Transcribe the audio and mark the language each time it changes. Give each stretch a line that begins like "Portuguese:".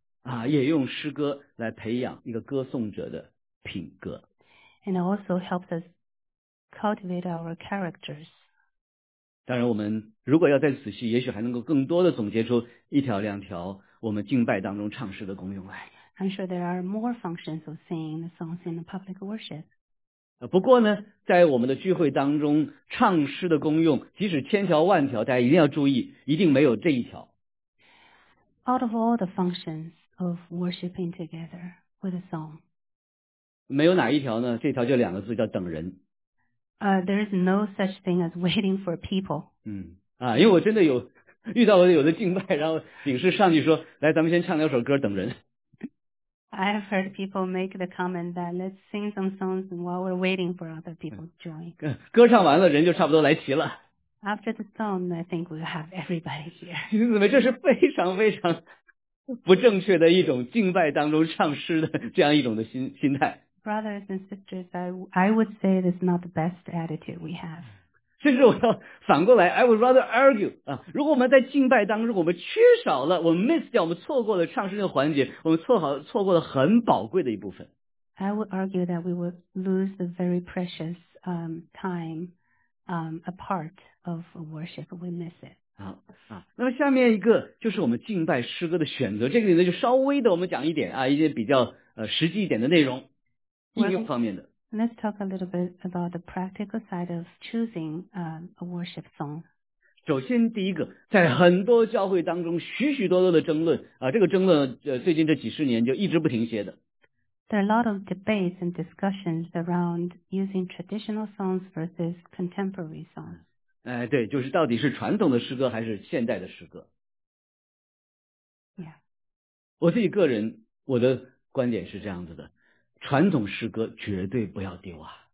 Chinese: 啊，也用诗歌来培养一个歌颂者的品格。
English: And it also helps us cultivate our characters.
Chinese: 当然我们如果要再仔细，也许还能够更多的总结出一条两条我们敬拜当中唱诗的功用来。
English: I'm sure there are more functions of singing the songs in the public worship.
Chinese: 不过呢，在我们的聚会当中，唱诗的功用，即使千条万条，大家一定要注意，一定没有这一条。
English: Out of all the functions of worshiping together with a song,
Chinese: 没有哪一条呢？这条就两个字，叫等人。
English: There is no such thing as waiting for people.
Chinese: 因为我真的有遇到了有的敬拜，然后警示上去说，来，咱们先唱两首歌，等人。
English: I have heard people make the comment that let's sing some songs while we're waiting for other people to join.
Chinese: 歌唱完了，人就差不多来齐了。
English: After the song, I think we'll have everybody here.
Chinese: 弟兄姊妹，这是非常非常不正确的一种敬拜当中唱诗的这样一种的心态。
English: Brothers and sisters, I would say this is not the best attitude we have.
Chinese: 甚至我要反过来 ，
English: I would rather argue
Chinese: 啊，如果我们在敬拜当中，我们缺少了，我们 miss 掉，我们错过了唱诗的环节，我们错过了很宝贵的一部分。
English: I would argue that we would lose the very precious time a part of worship we miss it.
Chinese: 那么下面一个就是我们敬拜诗歌的选择，这个里面就稍微的我们讲一点啊，一些比较实际一点的内容，应用方面的。
English: Let's talk a little bit about the practical side of choosing a worship song.
Chinese: 首先第一个，在很多教会当中许许多多的争论这个争论最近这几十年就一直不停歇的。
English: There are a lot of debates and discussions around using traditional songs versus contemporary songs.
Chinese: 对，就是到底是传统的诗歌还是现代的诗歌。
English: Yeah.
Chinese: 我自己个人，我的观点是这样子的。传统诗歌绝对不要丢啊。